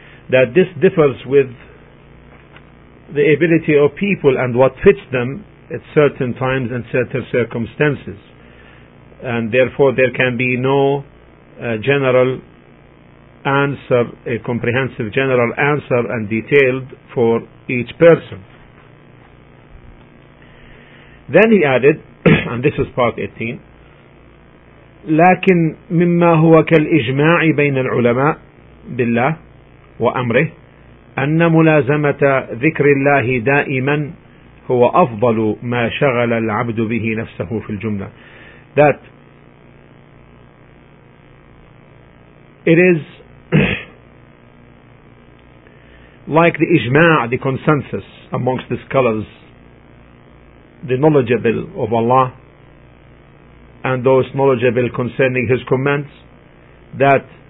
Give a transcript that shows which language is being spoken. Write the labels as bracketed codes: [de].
[en] that this differs with the ability of people and what fits them at certain times and certain circumstances, and therefore there can be no general answer, a comprehensive general answer and detailed for each person. Then he added, and this is part 18, [ar] لكن مما هو كالإجماع بين العلماء بالله وأمره أن ملازمة ذكر الله دائما هو أفضل ما شغل العبد به نفسه في الجملة. [en] That it is like the إجماع, the consensus amongst the scholars, the knowledgeable of Allah and those knowledgeable concerning His commands, that